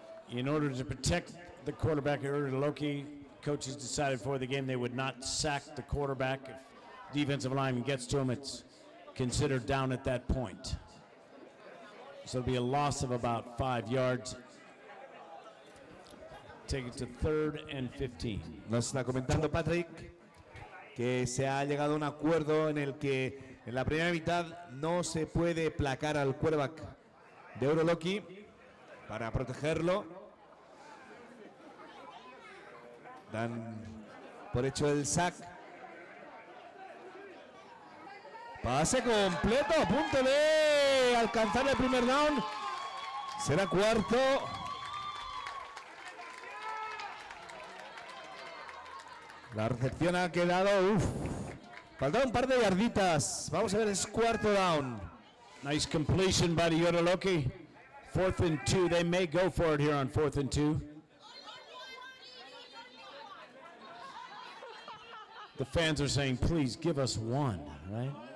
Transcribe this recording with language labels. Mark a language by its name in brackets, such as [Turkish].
[English] In order to protect the quarterback, Loki, coaches decided for the game they would not sack the quarterback. If defensive lineman gets to him, it's considered down at that point. So it'll be a loss of about 5 yards. Take it to third and 15. [Spanish] Nos está comentando Patrick que se ha llegado a un acuerdo en el que en la primera mitad no se puede placar al quarterback de Euroloki para protegerlo. Dan por hecho el sack. Pase completo, a punto de alcanzar el primer down. Será cuarto. La recepción ha quedado, faltaba un par de yarditas. Vamos a ver, es cuarto down. [English] Nice completion by the Euroloki. Fourth and two, they may go for it here on fourth and two. The fans are saying, please give us one, right?